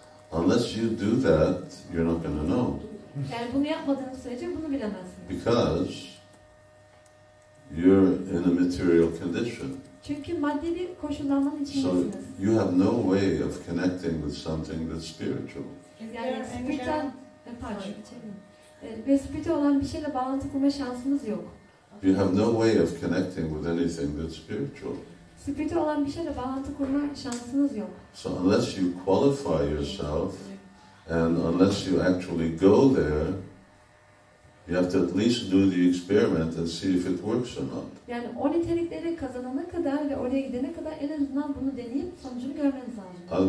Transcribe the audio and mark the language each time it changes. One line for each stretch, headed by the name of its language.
English: Unless you do that, you're not going to know.
Turkish: Yani bunu yapmadığınız sürece bunu bilemezsiniz.
English: Because you're in a material condition.
Turkish: Çünkü maddi bir koşullanmanın içindesiniz.
English: So you have no way of connecting with something that's spiritual.
Turkish: Yani spiritü olan bir şeyle bağlantı kurma şansımız yok.
English: You have no way of connecting with anything that's spiritual.
Turkish: Spiritü olan bir şeyle bağlantı kurma şansımız yok.
English: So unless you qualify yourself and unless you actually go there, you have to at least do the experiment and see if it works or not.
Turkish: Yani o nitelikleri kazanana kadar ve oraya gidene kadar en azından bunu deneyip sonucunu görmeniz lazım.